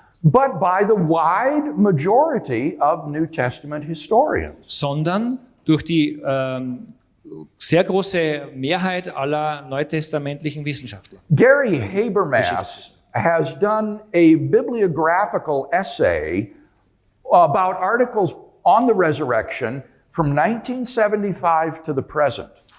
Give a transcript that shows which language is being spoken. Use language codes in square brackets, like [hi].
[en] But by the wide majority of New Testament historians. [de] Sondern durch die sehr große Mehrheit aller neutestamentlichen Wissenschaftler. [en] Gary Habermas has done a bibliographical essay about articles on the resurrection from 1975 to the present.